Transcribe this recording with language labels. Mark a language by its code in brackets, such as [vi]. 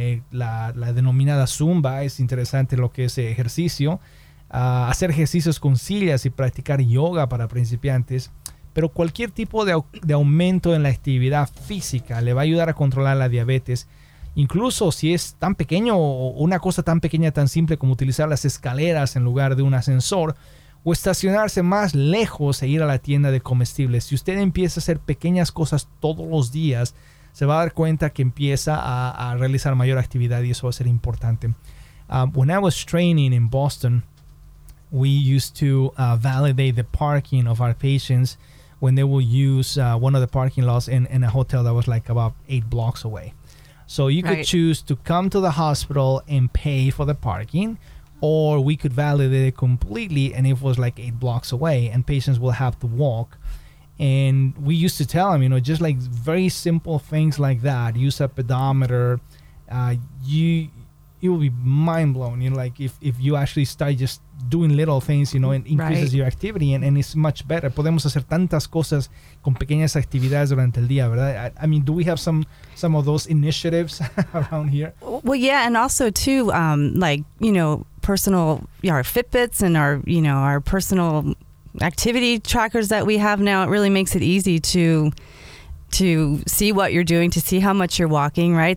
[es] La denominada Zumba es interesante, lo que es ejercicio, hacer ejercicios con sillas y practicar yoga para principiantes, pero cualquier tipo de aumento en la actividad física le va a ayudar a controlar la diabetes, incluso si es tan pequeño o una cosa tan pequeña, tan simple como utilizar las escaleras en lugar de un ascensor o estacionarse más lejos e ir a la tienda de comestibles. Si usted empieza a hacer pequeñas cosas todos los días, se va a dar cuenta que empieza a realizar mayor actividad y eso va a ser importante. [en] When I was training in Boston, we used to validate the parking of our patients when they will use one of the parking lots in a hotel that was like about 8 blocks away. So you could choose to come to the hospital and pay for the parking, or we could validate it completely and it was like 8 blocks away and patients will have to walk. And we used to tell them, just like very simple things like that. Use a pedometer. You will be mind blown. If you actually start just doing little things, it increases your activity and it's much better. [es] Podemos hacer tantas cosas con pequeñas actividades durante el día, ¿verdad? [en] I mean, do we have some of those initiatives around here? Well, yeah, and also too, personal, our Fitbits and our personal activity trackers that we have now, it really makes it easy to see what you're doing, to see how much you're walking, right?